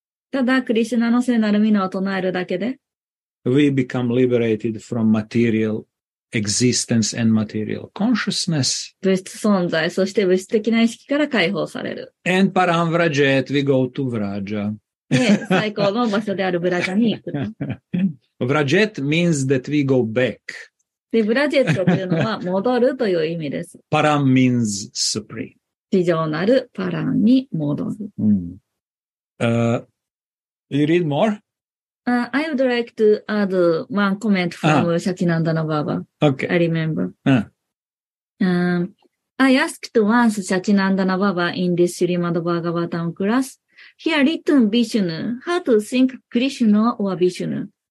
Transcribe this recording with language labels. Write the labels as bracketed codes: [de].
[ja] ただ、クリシュナの聖なる皆を唱えるだけで。 [en] We become liberated from material existence and material consciousness. [ja] 物質存在、そして物質的な意識から解放される。 [en] And param vrajet, we go to vraja. [ja] 最高の場所であるブラジャに行く。 [en] ブラジェット means that we go back. [ja] で、ブラジェットというのは戻るという意味です。 [en] パラン means supreme. [ja] 地上なるパランに戻る。 [en] You read more? I would like to add one comment from Shachinandana Baba. Okay. I remember. I asked once Shachinandana Baba in this Srimad Bhagavatam class,He had written Vishnu, how to think Krishna or Vishnu.